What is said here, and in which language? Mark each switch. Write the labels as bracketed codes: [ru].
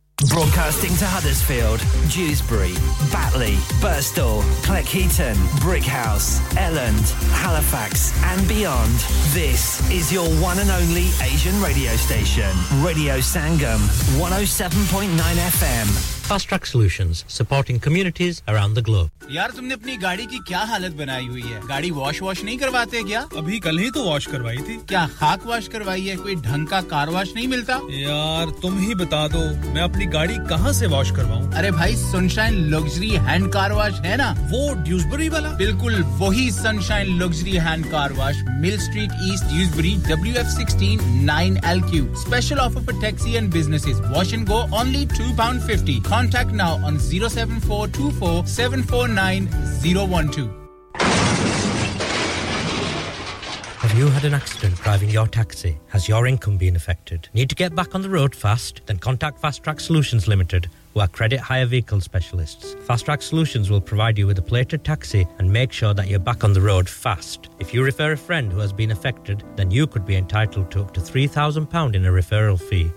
[en] Broadcasting to Huddersfield, Dewsbury, Batley, Birstall, Cleckheaton, Brickhouse, Elland, Halifax and beyond. This is your one and only Asian radio station. Radio Sangam, 107.9 FM. Fast Track Solutions, supporting communities around the globe. [hi] यार तुमने अपनी गाड़ी की क्या हालत बनाई हुई है गाड़ी वॉश वॉश नहीं करवाते क्या अभी कल ही तो वॉश करवाई थी क्या खाक वॉश करवाई है कोई ढंग का कार वॉश नहीं मिलता यार तुम ही बता दो मैं अपनी गाड़ी कहां से वॉश करवाऊं अरे भाई sunshine luxury hand car wash है ना वो ड्यूसबरी वाला बिल्कुल वही [en] Sunshine luxury hand car wash mill street east Dewsbury WF16 9LQ special offer for taxi and businesses wash and go only £2.50 contact now on 07424 9012. Have you had an accident driving your taxi? Has your income been affected? Need to get back on the road fast? Then contact Fast Track Solutions Limited, who are credit hire vehicle specialists. Fast Track Solutions will provide you with a plated taxi and make sure that you're back on the road fast. If you refer a friend who has been affected, then you could be entitled to up to £3,000 in a referral fee.